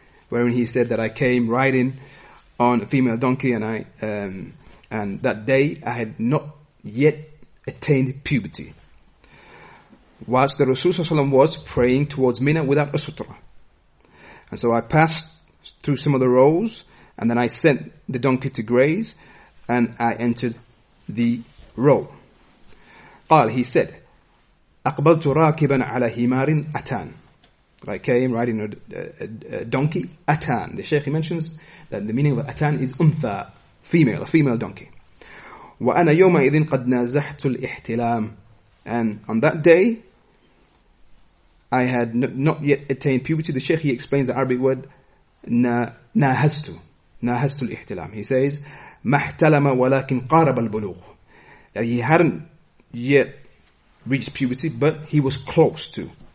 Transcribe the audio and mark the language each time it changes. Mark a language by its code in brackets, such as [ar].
[en] wherein he said that I came riding on a female donkey, and and that day I had not yet attained puberty. Whilst the Rasulullah was praying towards Mina without a sutra. And so I passed through some of the rows, and then I sent the donkey to graze, and I entered the row. [ar] قال, he said, أقبلت راكبا على همار أتان. [en] I came riding a donkey, أتان. The Sheikh mentions that the meaning of أتان is أنثى, female, a female donkey. [ar] وأنا يومئذ قد نازحت الاحتلام. [en] And on that day, I had not yet attained puberty. The Sheikh, he explains the Arabic word, nahastu. Nahastu al-ihtilam. He says, mahtalama walakin qarab al-bulugh. That he hadn't yet reached puberty, but he was close to.